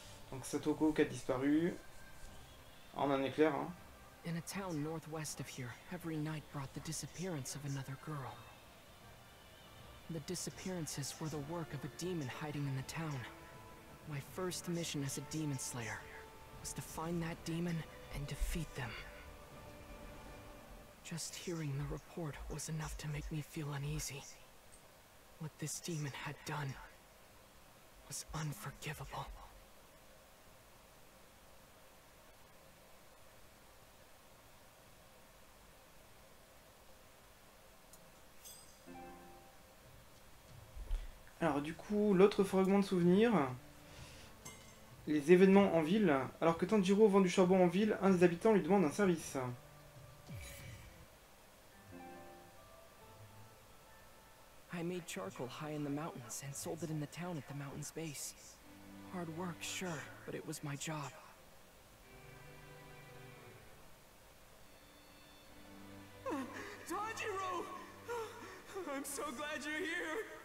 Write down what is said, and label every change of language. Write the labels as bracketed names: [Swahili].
[French] Donc Satoko qui a disparu. En un éclair. Hein. [English] In a town northwest of here, every night brought the disappearance of another girl. The disappearances were the work of a demon hiding in the town. My first mission as a demon slayer was to find that demon and defeat them. Just hearing the report was enough to make me feel uneasy. What this demon had done was unforgivable. [French] Alors du coup, l'autre fragment de souvenir, les événements en ville. Alors que Tanjiro vend du charbon en ville, un des habitants lui demande un service. [English] I made charcoal high in the mountains and sold it in the town at the mountain's base. Hard work, sure, but it was my job. Tanjiro, I'm so glad you're here.